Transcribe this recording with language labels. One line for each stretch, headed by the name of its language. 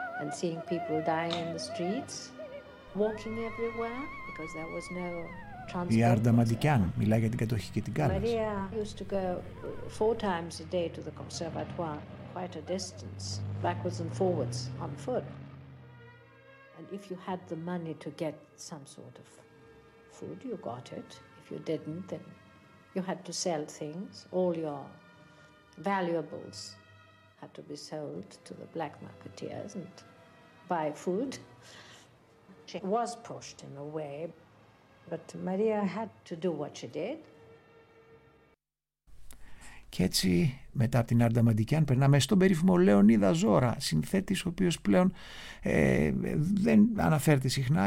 English: Seeing people dying in the streets, walking everywhere because there was no transport.
Greek: Η Άρντα Μαντικιάν μιλάει για την κατοχή και την Κάλλας.
English: Maria used to go four times a day to the conservatoire, quite a distance, backwards and forwards on foot. And if you had the money to get some sort of food, you got it. If you didn't, then you had to sell things, all your valuables. Had to be sold to the black marketeers and buy food. She was pushed in a way, but Maria had to do what she did.
Greek: Και έτσι, μετά από την Άρντα Μαντικιάν, περνάμε στον περίφημο Λεωνίδα Ζόρα, συνθέτης ο οποίος πλέον δεν αναφέρεται συχνά.